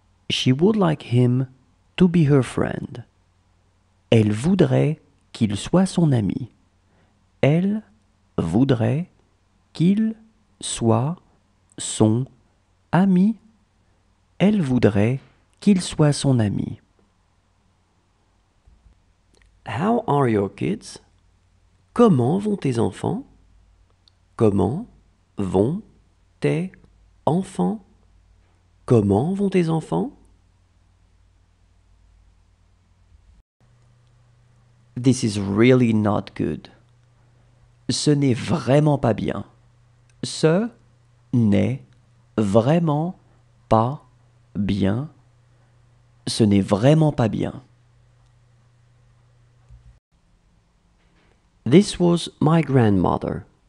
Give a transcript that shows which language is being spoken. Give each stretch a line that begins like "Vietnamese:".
English: She would like him to be her friend.
French: Elle voudrait qu'il soit son ami. Elle voudrait qu'il soit son ami. Elle voudrait qu'il soit son ami.
English: How are your kids?
French: Comment vont tes enfants? Comment vont tes enfants? Comment vont tes enfants?
English: This is really not good.
French: Ce n'est vraiment pas bien. Ce n'est vraiment pas bien. Ce n'est vraiment pas bien.
English: This was my grandmother.